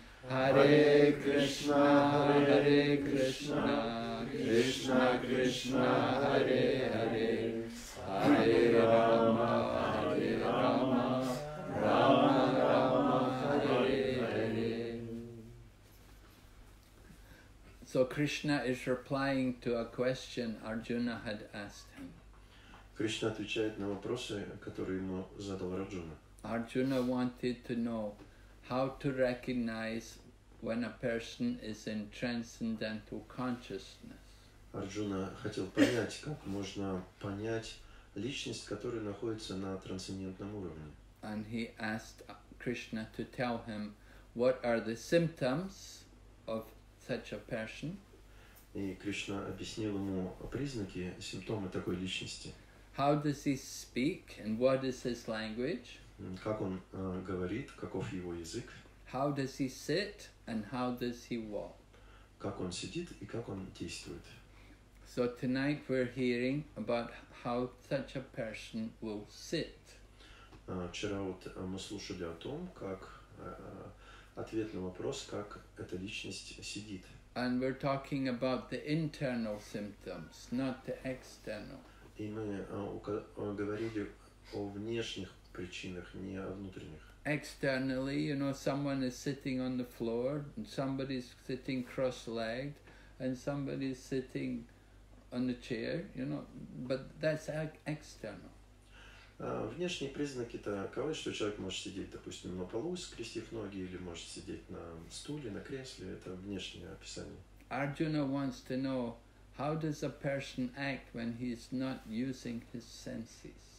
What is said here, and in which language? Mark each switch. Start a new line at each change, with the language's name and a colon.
Sanskrit: Hare Krishna, Hare Krishna, Krishna Krishna, Hare Hare, Hare Rama, Hare Rama, Rama Rama, Hare Hare.
English: So Krishna is replying to a question Arjuna had asked him.
Russian: Krishna отвечает на вопросы, которые ему задал Арджуна.
English: Arjuna wanted to know how to recognize when a person is in transcendental consciousness.
Russian: Арджуна хотел понять, как можно понять личность, которая находится на трансцендентном уровне.
English: And he asked Krishna to tell him what are the symptoms of such a person.
Russian: И Кришна объяснил ему признаки, симптомы такой личности.
English: How does he speak and what is his language?
Russian: Как он говорит, каков его язык?
English: How does he sit and how does he walk?
Russian: Как он сидит и как он действует?
English: So tonight we're hearing about how such a person will sit.
Russian: Вчера вот мы слушали о том, как ответ на вопрос, как эта личность сидит.
English: And we're talking about the internal symptoms, not the external.
Russian: И мы говорили о внешних причинах, не о внутренних.
English: Externally, you know, someone is sitting on the floor, and somebody is sitting cross-legged, and somebody is sitting on a chair, you know, but that's external.
Russian: Внешние признаки таковы, что человек может сидеть, допустим, на полу, скрестив ноги, или может сидеть на стуле, на кресле. Это внешнее описание.
English: Arjuna wants to know, how does a person act when he is not using his senses?